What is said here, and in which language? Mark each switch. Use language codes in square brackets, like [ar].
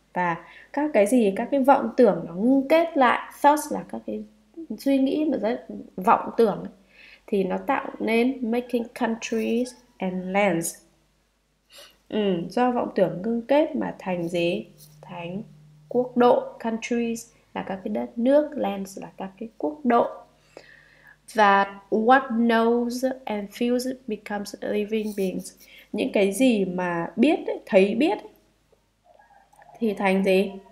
[vi] Và các cái gì, các cái vọng tưởng nó kết lại, thoughts là các cái suy nghĩ mà rất vọng tưởng, thì nó tạo nên making countries and lands. Do vọng tưởng ngưng kết mà thành gì? Thành quốc độ. Countries là các cái đất nước, lands là các cái quốc độ. [en] Và what knows and feels becomes living beings. [vi] Những cái gì mà biết, thấy biết thì thành gì?